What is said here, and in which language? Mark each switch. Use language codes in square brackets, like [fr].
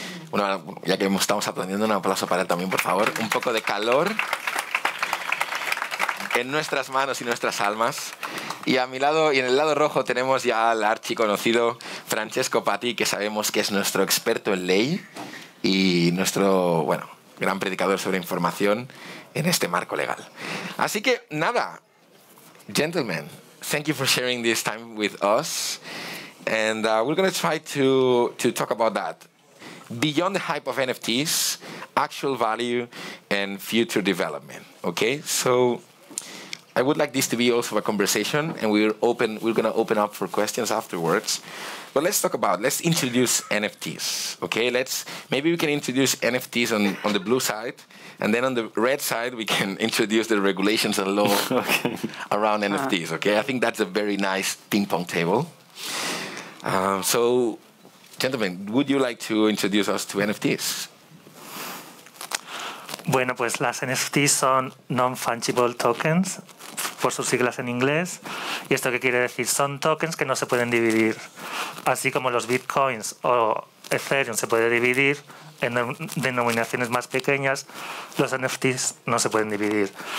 [es] Bueno, ya que estamos aprendiendo, un aplauso para él también, por favor. Un poco de calor en nuestras manos y nuestras almas. Y a mi lado, y en el lado rojo, tenemos ya al archiconocido Francesco Patti, que sabemos que es nuestro experto en ley y nuestro, bueno, gran predicador sobre información en este marco legal. Así que, nada. [en] Gentlemen, thank you for sharing this time with us. And we're going to try to talk about that. Beyond the hype of NFTs, actual value and future development. Okay, so I would like this to be also a conversation, and we're going to open up for questions afterwards. But let's introduce NFTs, okay? Maybe we can introduce NFTs on the blue side, and then on the red side, we can introduce the regulations and law around NFTs, okay? I think that's a very nice ping pong table. So, gentlemen, would you like to introduce us to NFTs? [es] Bueno, pues las NFTs son non-fungible tokens, por sus siglas en inglés. ¿Y esto qué quiere decir? Son tokens que no se pueden dividir. Así como los bitcoins o Ethereum se puede dividir en denominaciones más pequeñas, los NFTs no se pueden dividir.